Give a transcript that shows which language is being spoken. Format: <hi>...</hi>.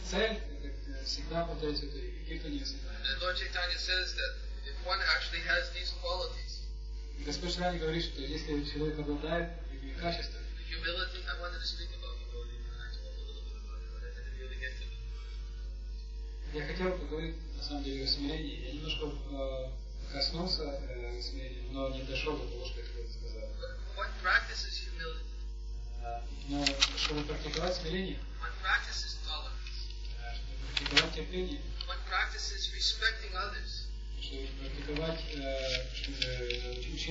<en>And Lord Chaitanya says that if one actually has these qualities,</en> <ru>Господь Шри говорит, что если человек обладает этими качествами,</ru> <en>humility, I wanted to speak about humility, I talked a little bit about it, but I didn't really get to it.</en> <ru>Я хотел поговорить на самом деле о смирении. Я немножко коснулся смирения, но не дошел до того, что я хотел сказать.</ru> <en>What practices humility?</en> <ru>Но чтобы практиковать смирение, чтобы практиковать терпение, чтобы практиковать, чтобы учить</ru>